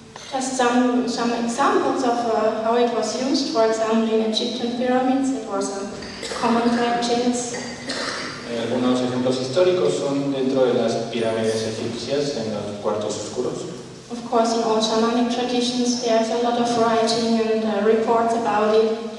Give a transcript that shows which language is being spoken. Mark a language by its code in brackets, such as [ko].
[en] Just some examples of how it was used. For example, in Egyptian pyramids, it was a common practice. [es] Algunos ejemplos históricos son dentro de las pirámides egipcias, en los cuartos oscuros. [en] Of course, in all shamanic traditions, there's a lot of writing and reports about it.